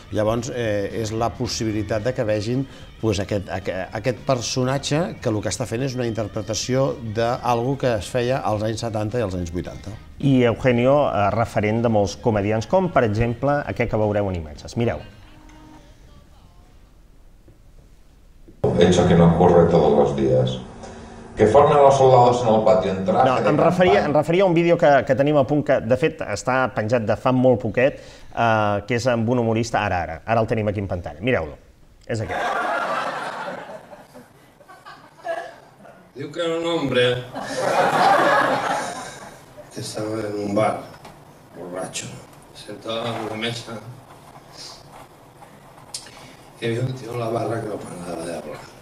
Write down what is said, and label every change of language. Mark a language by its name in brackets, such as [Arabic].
[Catalan] Llavors, és la possibilitat que vegin aquest personatge que el que està fent és una interpretació d'alguna cosa que es feia als anys 70 i als anys 80. i Eugenio referent de molts comedians, com per exemple aquest que veureu en imatges. Mireu. [Spanish] Hecho que no ocurre todos los días. Que formen los soldados en el patio en traje. [Catalan] No, em referia a un vídeo que tenim a punt, que de fet està penjat de fa molt poquet, que és amb un humorista, ara el tenim aquí en pantalla. Mireu-lo, és aquest. Diu que era [Spanish] un hombre que estava en un bar, borracho, sentado en una mesa. Y había un tío en la barra que no paraba de hablar.